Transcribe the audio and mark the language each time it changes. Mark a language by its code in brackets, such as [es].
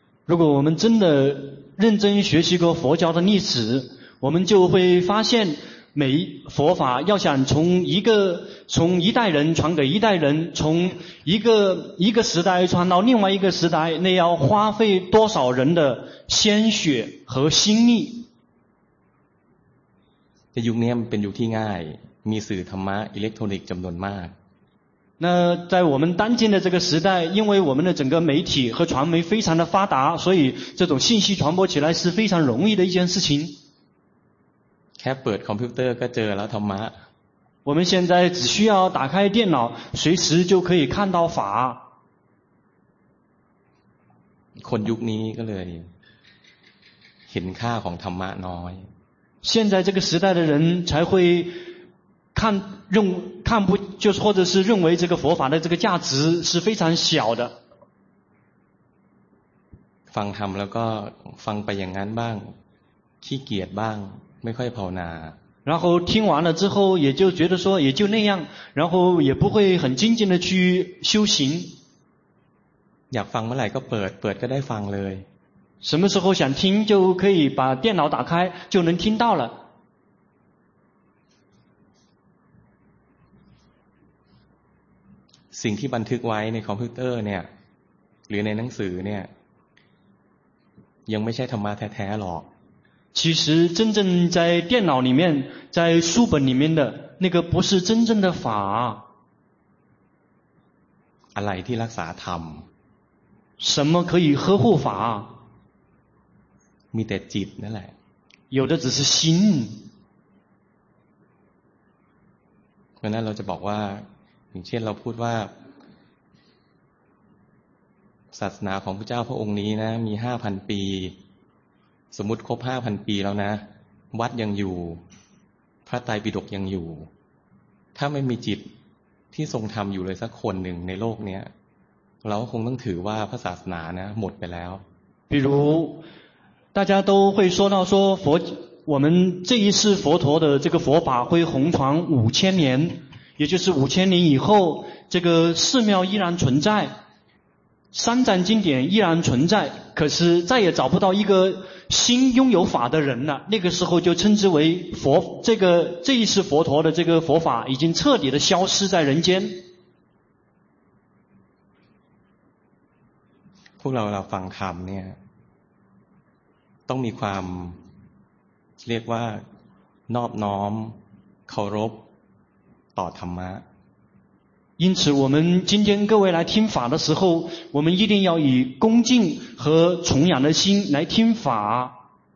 [zh] 如果我们真的认真学习过佛教的历史，我们就会发现每佛法要想从一代人传给一代人，从一个时代传到另外一个时代，那要花费多少人的鲜血和心力。 [th] 在ยุคนี้เป็นยุคที่ง่ายมีสื่อธรรมะอิเล็กทรอนิกส์จำนวนมาก [zh] 那在我们当今的这个时代，因为我们的整个媒体和传媒非常的发达，所以这种信息传播起来是非常容易的一件事情。 [th] แค่เปิดคอมพิวเตอร์ก็เจอแล้วธรรมะ [zh] 我们现在只需要打开电脑，随时就可以看到法。 [th] คนยุคนี้ก็เลยเห็นค่าของธรรมะน้อย [zh] 现在这个时代的人才会看不就是或者是认为这个佛法的这个价值是非常小的。 [th] ฟังธรรมแล้วก็ฟังไปอย่างนั้นบ้างขี้เกียจบ้างไม่ค่อยภาวนา [zh] 然后听完了之后也就觉得说也就那样，然后也不会很精进的去修行。 [th] อยากฟังเมื่อไหร่ก็เปิดก็ได้ฟังเลย [zh] 什么时候想听就可以把电脑打开就能听到了。 [th] สิ่งที่บันทึกไว้ในคอมพิวเตอร์เนี่ยหรือในหนังสือเนี่ยยังไม่ใช่ธรรมะแท้ๆหรอก [zh] 其实真正在电脑里面在书本里面的那个不是真正的法 [th] อะไรที่รักษาธรรม [zh] 什么可以呵护法 [th] มีแต่จิตนั่นแหละ [zh] 有的只是心 [th] เพราะนั้นเราจะบอกว่าอย่างเช่นเราพูดว่าศาสนาของพระเจ้าพระองค์นี้นะมี 5,000 ปีสมมุติครบ 5,000 ปีแล้วนะวัดยังอยู่พระไตรปิฎกยังอยู่ถ้าไม่มีจิตที่ทรงธรรมอยู่เลยสักคนหนึ่งในโลกนี้เราคงต้องถือว่าพระศาสนานะหมดไปแล้ว [zh] 比如大家都会说到说佛我们这一世佛陀的这个佛法会弘传五千年也就是五千年以后这个寺庙依然存在三藏经典依然存在可是再也找不到一个新拥有法的人了那个时候就称之为佛这一世佛陀的这个佛法已经彻底的消失在人间 [th] พวกเราฟังธรรมเนี่ยต้องมีความเรียกว่านอบน้อมเคารพต่อธรรมะ [zh] 因此我们今天各位来听法的时候我们一定要以恭敬和崇仰的心来听法